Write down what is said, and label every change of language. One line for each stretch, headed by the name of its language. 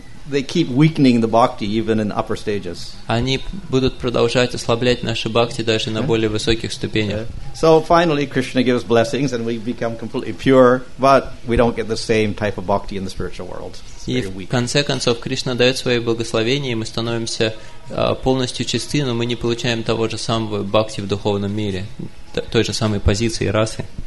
English: They keep weakening the bhakti even in upper stages.
Russian: Они будут продолжать ослаблять наши бхакти даже на более высоких ступенях.
English: So finally Krishna gives blessings and we become completely pure, but we don't get the same type of bhakti in the spiritual world.
Russian: И в конце концов Кришна дает свои благословения, и мы становимся полностью чисты, но мы не получаем того же самого бхакти в духовном мире, той же самой позиции расы.